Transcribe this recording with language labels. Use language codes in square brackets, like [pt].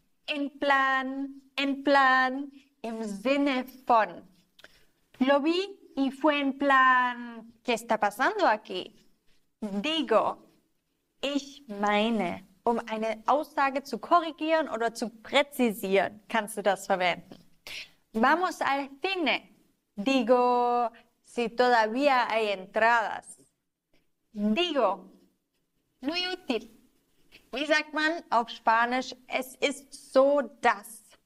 [es] En plan, en plan, im Sinne von. Lo vi y fue en plan. ¿Qué está pasando aquí? [de] Digo, ich meine. Um eine Aussage zu korrigieren oder zu präzisieren, kannst du das verwenden. [es] Vamos al cine. Digo, si todavía hay entradas. Digo, muy útil. [de] Wie sagt man auf Spanisch, es ist so das.